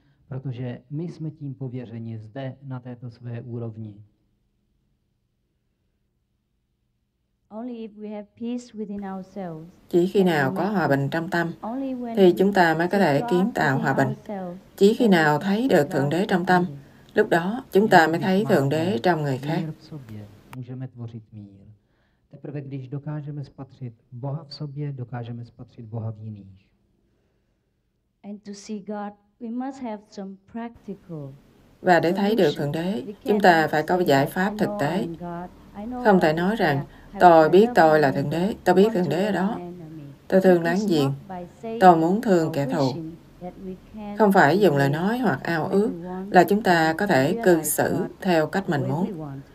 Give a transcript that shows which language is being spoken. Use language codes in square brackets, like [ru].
[cs] Protože my jsme tím pověřeni zde na této své úrovni. [en] Only if we have peace within ourselves. [vi] Chỉ khi nào có hòa bình trong tâm thì chúng ta mới có thể kiến tạo hòa bình. Chỉ khi nào thấy được Thượng Đế trong tâm, lúc đó chúng ta mới thấy Thượng Đế trong người khác. [cs] Můžeme tvořit mír. Teprve když dokážeme spatřit Boha v sobě, dokážeme spatřit Boha v jiných. [en] And to see God, we must have some practical. [vi] Và để thấy được Thượng Đế, chúng ta phải có giải pháp thực tế. Không thể nói rằng tôi biết tôi là Thượng Đế, tôi biết Thượng Đế ở đó, tôi thương láng giềng, tôi muốn thương kẻ thù. Không phải dùng lời nói hoặc ao ước là chúng ta có thể cư xử theo cách mình muốn.